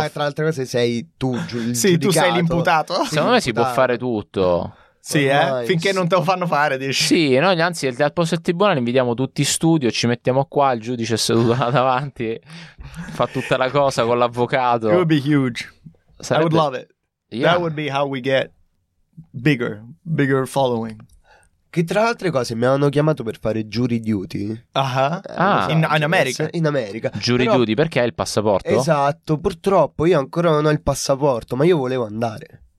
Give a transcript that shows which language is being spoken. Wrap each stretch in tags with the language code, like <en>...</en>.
<it>Tra le altre cose sei tu il giudicato. Sì, tu sei l'imputato. Secondo me si può fare tutto. Sì, ormai, finché non te lo fanno fare, dici. Sì, noi anzi, al posto del tribunale invitiamo tutti in studio, ci mettiamo qua, il giudice è seduto là davanti, fa tutta la cosa con l'avvocato.</it> <en>It would be huge.</en> <it>Sarebbe...</it> <en>I would love it. Yeah. That would be how we get bigger following.</en> <it>Che tra le altre cose mi hanno chiamato per fare jury duty. In America. In America. Jury però... duty, perché hai il passaporto? Esatto, purtroppo io ancora non ho il passaporto, ma io volevo andare.</it>